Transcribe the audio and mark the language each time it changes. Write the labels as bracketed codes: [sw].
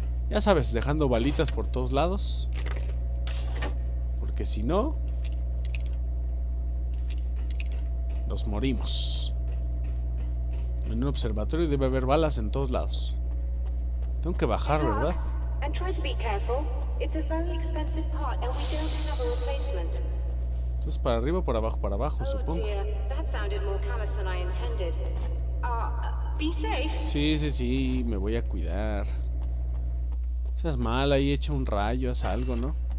[es] Ya sabes, dejando balitas por todos lados. Porque si no, nos morimos. En un observatorio debe haber balas en todos lados. Tengo que bajar, ¿verdad? [en] And try to be careful. It's a very expensive part, and we don't have a replacement. [es] Entonces para arriba, para abajo, supongo. [en] Oh dear, that sounded more callous than I intended. Be safe. [es] Sí, sí, sí, me voy a cuidar. No seas mal, ahí echa un rayo, haz algo, ¿no?